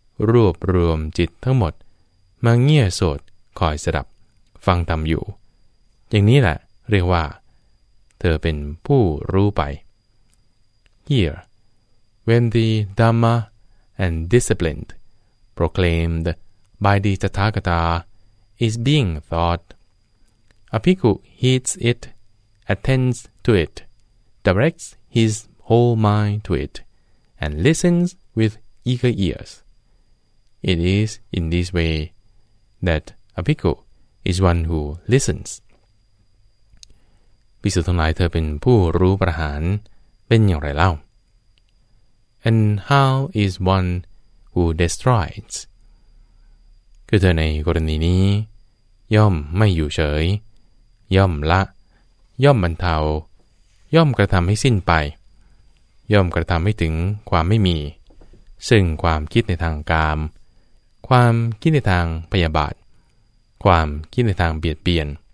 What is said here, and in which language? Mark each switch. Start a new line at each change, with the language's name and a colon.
Thai: รวบรวมจิตทั้งหมดมาเงี่ยโสดคอยสดับฟังธรรมอยู่อย่างนี้แหละเรียกว่าเธอเป็นผู้รู้ไป
English: Here, when the Dhamma and disciplined proclaimed by the Tathagatais being thought. A bhikkhu heeds it, attends to it, directs his whole mind to it, and listens with eager ears. It is in this way that a bhikkhu is one who listens.
Thai: ภิกษุทั้งหลายเธอเป็นผู้รู้ประหารเป็นอย่างไรเล่า
English: And how is one who destroys?
Thai: คือเธอในกรณีนี้ย่อมไม่อยู่เฉยย่อมละย่อมบรรเทาย่อมกระทำให้สิ้นไปย่อมกระทำให้ถึงความไม่มีซึ่งความคิดในทางกามความคิดในทางพยาบาทความคิดในทางเบียดเบียน